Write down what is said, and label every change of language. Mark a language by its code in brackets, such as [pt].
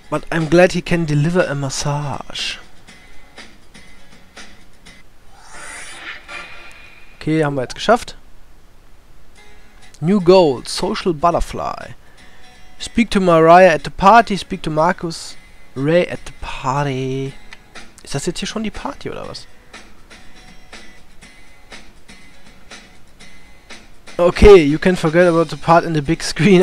[en] But I'm glad he can deliver a massage. [de] Okay, haben wir jetzt geschafft. [en] New goal, social butterfly. Speak to Mariah at the party, speak to Marcus Ray at the party. [de] Ist das jetzt hier schon die Party oder was? [en] Okay, you can forget about the part in the big screen.